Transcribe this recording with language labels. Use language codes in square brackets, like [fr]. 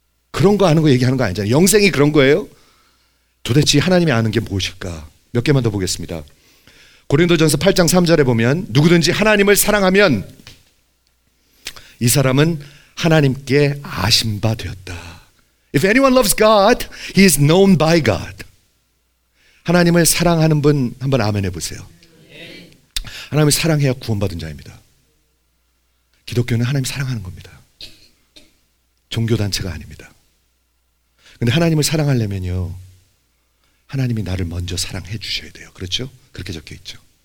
[ko] 그런 거 아는 거 얘기하는 거 아니잖아요. 영생이 그런 거예요? 도대체 하나님이 아는 게 무엇일까? 몇 개만 더 보겠습니다. 고린도전서 8장 3절에 보면 누구든지 하나님을 사랑하면 이 사람은 하나님께 아심바 되었다. [en] If anyone loves God, he is known by God. [ko] 하나님을 사랑하는 분 한번 아멘 해보세요. 하나님을 사랑해야 구원받은 자입니다. 기독교는 하나님 사랑하는 겁니다. 종교단체가 아닙니다. 근데 하나님을 사랑하려면요, 하나님이 나를 먼저 사랑해 주셔야 돼요. 그렇죠? 그렇게 적혀 있죠.